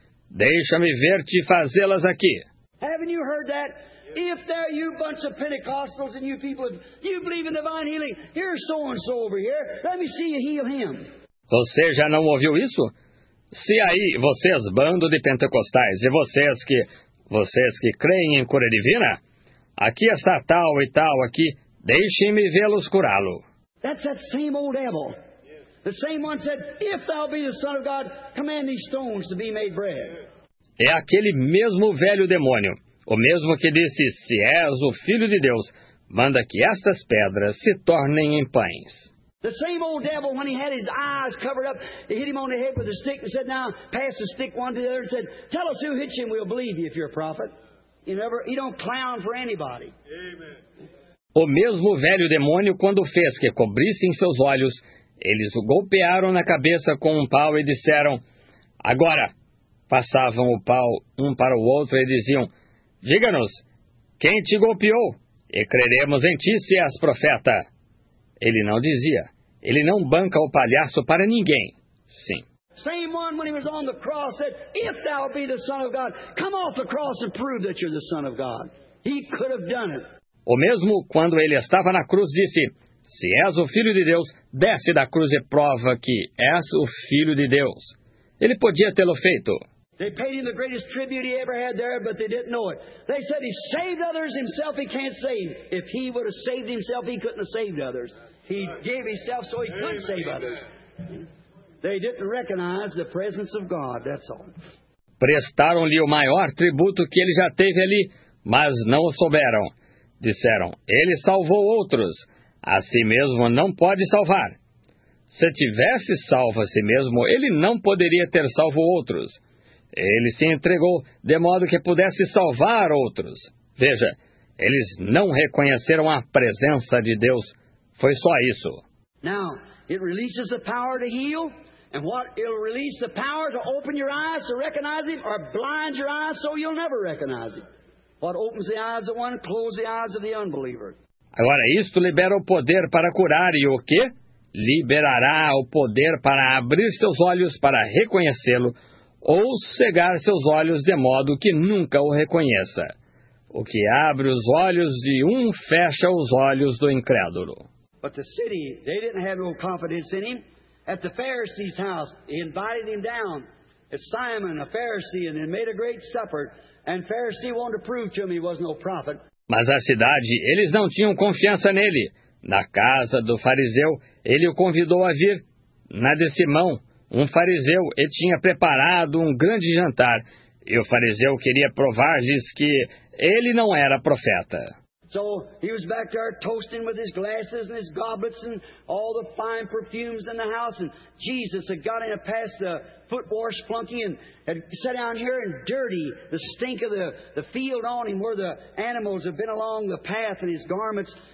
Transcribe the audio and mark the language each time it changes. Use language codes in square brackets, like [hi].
[pt] Deixa-me ver-te fazê-las aqui. [en] Haven't you heard that? If there are you bunch of Pentecostals and you people, you believe in divine healing, here's so and so over here. Let me see you heal him. [pt] Você já não ouviu isso? Se aí vocês, bando de pentecostais, e vocês que creem em cura divina, aqui está tal e tal aqui. Deixem-me vê-los curá-lo. [en] That's that same old devil. The same one said, if thou be the son of God, command these stones to be made bread. [pt] É aquele mesmo velho demônio. O mesmo que disse, se és o filho de Deus, manda que estas pedras se tornem em pães. [en] The same old devil, when he had his eyes covered up, he hit him on the head with a stick and said, now pass the stick one to the other and said, tell us who hit you and we'll believe you if you're a prophet. You don't clown for anybody. Amen. [pt] O mesmo velho demônio, quando fez que cobrissem seus olhos, eles o golpearam na cabeça com um pau e disseram, agora, passavam o pau um para o outro e diziam, diga-nos, quem te golpeou? E creremos em ti, se és profeta. Ele não dizia. Ele não banca o palhaço para ninguém. Sim. [en] Same one when he was on the cross said, if thou be the Son of God, come off the cross and prove that you're the Son of God. He could have done it. [pt] O mesmo quando ele estava na cruz disse, se és o Filho de Deus, desce da cruz e prova que és o Filho de Deus. Ele podia tê-lo feito. [en] They paid him the greatest tribute he ever had there, but they didn't know it. They said he saved others himself, he can't save. If he would have saved himself, he couldn't have saved others. He gave himself so he could save others. They didn't recognize the presence of God, that's all. [pt] Prestaram-lhe o maior tributo que ele já teve ali, mas não o souberam. Disseram, ele salvou outros, a si mesmo não pode salvar. Se tivesse salvo a si mesmo, ele não poderia ter salvo outros. Ele se entregou de modo que pudesse salvar outros. Veja, eles não reconheceram a presença de Deus. Foi só isso. [en] Now, it releases the power to heal, and what it'll release the power to open your eyes to recognize him, or blind your eyes so you'll never recognize him. What opens the eyes of one, closes the eyes of the unbeliever. [pt] Agora, isto libera o poder para curar, e o quê? Liberará o poder para abrir seus olhos para reconhecê-lo, ou cegar seus olhos de modo que nunca o reconheça. O que abre os olhos de um fecha os olhos do incrédulo. [en] But the city, they didn't have no confidence in him. At the Pharisee's house, he invited him down. It's Simon, a Pharisee, and they made a great supper. And Pharisee wanted to prove to him he was no prophet. [pt] Mas a cidade, eles não tinham confiança nele. Na casa do fariseu, ele o convidou a vir. Na de Simão, um fariseu, e tinha preparado um grande jantar. E o fariseu queria provar-lhes que ele não era profeta. [en] So he was back there toasting with his glasses and his goblets and all the fine perfumes in the house. And Jesus had gotten past the foot wash flunky and had sat down here and dirty the stink of the field on him where the animals had been along the path and his garments.